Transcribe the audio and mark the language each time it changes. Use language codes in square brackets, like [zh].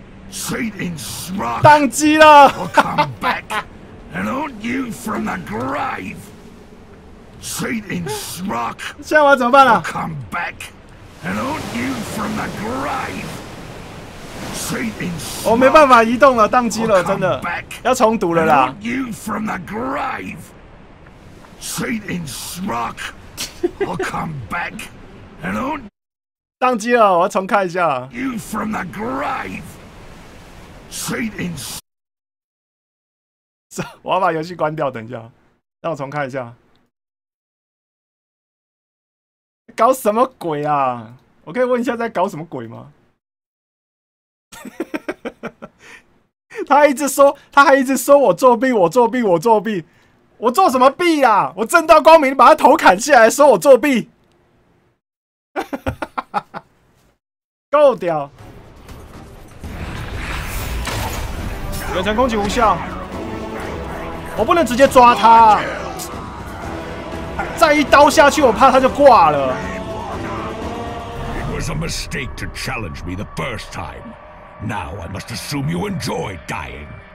[en] Satan's wrath. [zh] 当机了。 [en] I'll come back and haunt you from the grave. Satan's wrath. [zh] 现在我要怎么办了 [en] ？I'll come back and haunt you from the grave. Satan's wrath. [zh] 我没办法移动了，当机了，真的。要重读了啦。 [en] I'll haunt you from the grave. Satan's wrath. I'll come back and haunt. [zh] 当机了，我要重看一下。 [en] You from the grave. Satan's... [zh] 我要把游戏关掉，等一下，让我重看一下。搞什么鬼啊？我可以问一下在搞什么鬼吗？他一直说，他还一直说我作弊，我作弊，我作弊，我做什么弊啊？我正大光明把他头砍下来，说我作弊，够屌！远程攻击无效，我不能直接抓他，再一刀下去，我怕他就挂了。 [en] It was a mistake to challenge me the first time. Now I must assume you enjoy dying.